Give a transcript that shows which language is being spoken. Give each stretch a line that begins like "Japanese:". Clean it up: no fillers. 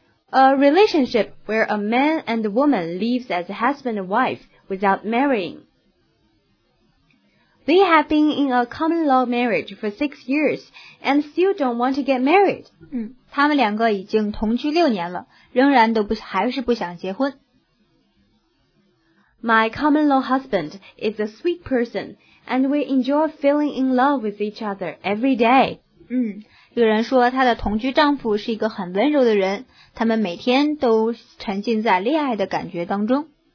English: A relationship where a man and a woman lives as husband and wife without marrying。 They have been in a common law marriage for 6 years and still don't want to get married.
Chinese: 他们两个已经同居六年了，仍然都不还是不想结婚。
English: My common law husband is a sweet person and we enjoy feeling in love with each other every day.
Chinese: 有人说他的同居丈夫是一个很温柔的人，他们每天都沉浸在恋爱的感觉当中。